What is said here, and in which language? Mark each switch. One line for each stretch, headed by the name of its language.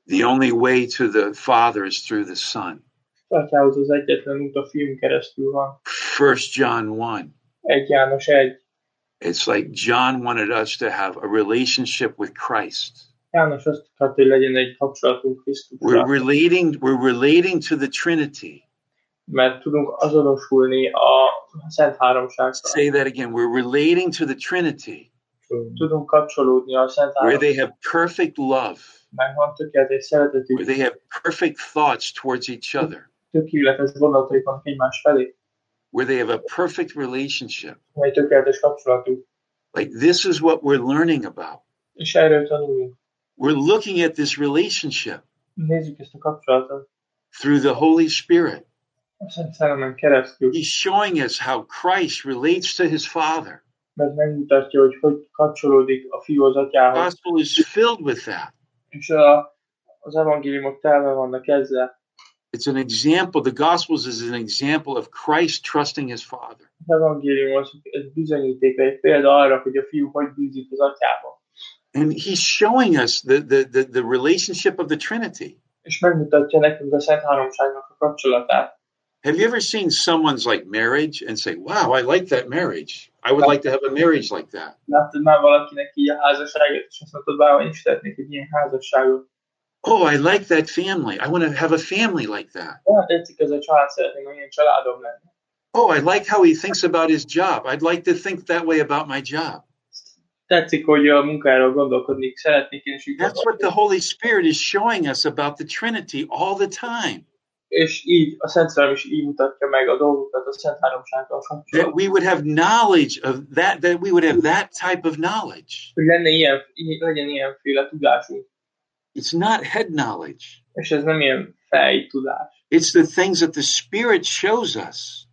English: The only way to the Father is through the Son.
Hungarian: Atyához az egyetlen út a Fiún keresztül van.
English: 1 John 1.
Hungarian: 1 János 1.
English: It's like John wanted us to have a relationship with Christ.
Hungarian: János azt akart, hogy legyen egy kapcsolatunk Krisztusra.
English: We're relating to the Trinity.
Hungarian: Mert tudunk azonosulni a Szent Háromsággal.
English: Say that again. We're relating to the Trinity.
Hungarian: Tudunk kapcsolódni a Szent Háromsággal.
English: Where they have perfect love.
Hungarian: Megvan tökéletes szeretetük.
English: Where they have perfect thoughts towards each other.
Hungarian: Tökéletes gondolataik vannak egymás felé.
English: Where they have a perfect relationship.
Hungarian: Egy tökéletes kapcsolatunk.
English: Like this is what we're learning about.
Hungarian: És erről tanulunk.
English: We're looking at this relationship.
Hungarian: Nézzük ezt a kapcsolatot.
English: Through the Holy Spirit.
Hungarian: A Szent Szellemen keresztül.
English: He's showing us how Christ relates to his Father.
Hungarian: Mert megmutatja, hogy hogy kapcsolódik a Fiú az Atyához.
English: The gospel is filled with that.
Hungarian: És az evangéliumok telve vannak ezzel.
English: It's an example. The gospels is an example of Christ trusting his Father.
Hungarian: Az evangélium az egy bizonyíték, egy példa arra, hogy a Fiú hogy bízik az Atyába.
English: And he's showing us the relationship of the Trinity.
Hungarian: És megmutatja nekünk a Szent Háromságnak a kapcsolatát.
English: Have you ever seen someone's like marriage and say, "Wow, I like that marriage. I would like to have a marriage like that."
Hungarian: Láttad már valakinek ilyen házasságot, és azt mondtad, "Wow, én is szeretnék egy ilyen házasságot."
English: Oh, I like that family. I want to have a family like that. Yeah, that's because a child setting,
Hungarian: olyan családom lenne.
English: Oh, I like how he thinks about his job. I'd like to think that way about my job.
Hungarian: Tetszik, hogy a munkáról gondolkodnék, szeretnék én is.
English: That's what the Holy Spirit is showing us about the Trinity all the time.
Hungarian: És így a Szent Szellem is így mutatja meg a dolgokat a Szent Háromsággal kapcsolatban.
English: That we would have knowledge of that, that we would have that type of knowledge.
Hungarian: Hogy lenne legyen ilyenféle tudásunk.
English: It's not head knowledge.
Hungarian: És ez nem ilyen fej tudás.
English: It's the things that the Spirit shows us.